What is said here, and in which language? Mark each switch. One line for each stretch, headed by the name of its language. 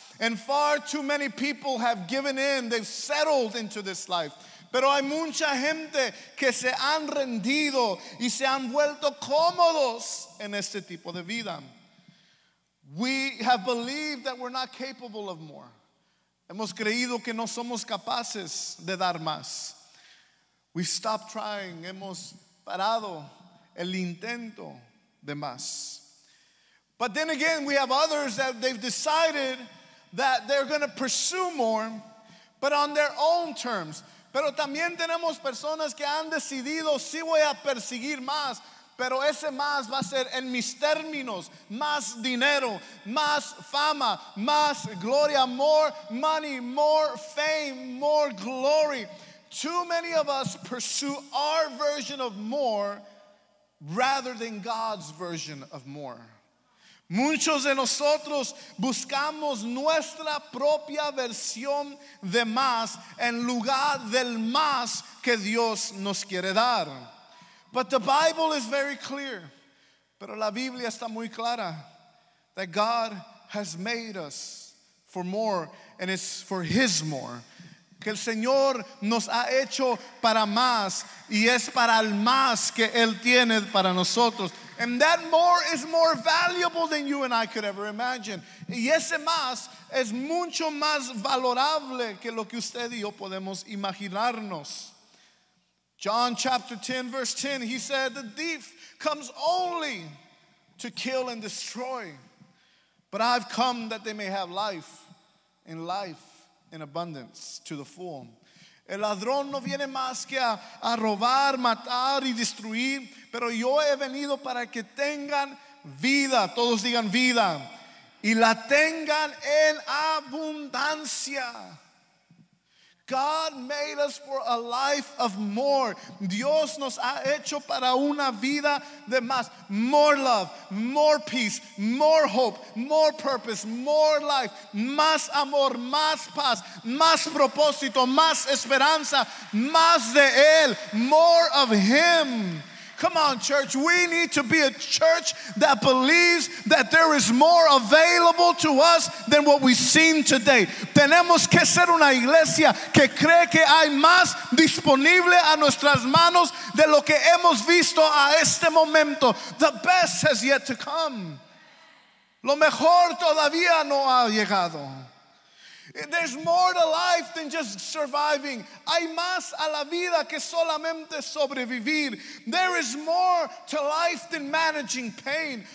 English: And far too many people have given in. They've settled into this life.
Spanish: Pero hay mucha gente que se han rendido y se han vuelto cómodos en este tipo de vida.
English: We have believed that we're not capable of more.
Spanish: Hemos creído que no somos capaces de dar más.
English: We stopped trying.
Spanish: Hemos parado el intento de más.
English: But then again, we have others that they've decided that they're going to pursue more, but on their own terms.
Spanish: Pero también tenemos personas que han decidido, sí voy a perseguir más, pero ese más va a ser en mis términos, más dinero, más fama, más gloria,
English: more money, more fame, more glory. Too many of us pursue our version of more rather than God's version of more.
Spanish: Muchos de nosotros buscamos nuestra propia versión de más en lugar del más que Dios nos quiere dar.
English: But the Bible is very clear.
Spanish: Pero la Biblia está muy clara.
English: That God has made us for more and it's for His more.
Spanish: Que el Señor nos ha hecho para más y es para el más que Él tiene para nosotros.
English: And that more is more valuable than you and I could ever imagine.
Spanish: Y ese más es mucho más valorable que lo que usted y yo podemos imaginarnos.
English: John chapter 10, verse 10, he said, the thief comes only to kill and destroy. But I've come that they may have life, and life in abundance to the full.
Spanish: El ladrón no viene más que a robar, matar y destruir. Pero yo he venido para que tengan vida. Todos digan vida. Y la tengan en abundancia.
English: God made us for a life of more.
Spanish: Dios nos ha hecho para una vida de más.
English: More love, more peace, more hope, more purpose, more life.
Spanish: Más amor, más paz, más propósito, más esperanza, más de Él.
English: More of Him. Come on, church. We need to be a church that believes that there is more available to us than what we've seen today.
Spanish: Tenemos que ser una iglesia que cree que hay más disponible a nuestras manos de lo que hemos visto a este momento.
English: The best has yet to come.
Spanish: Lo mejor todavía no ha llegado.
English: There's more to life than just surviving.
Spanish: Hay más a la vida que solamente sobrevivir.
English: There is more to life than managing pain.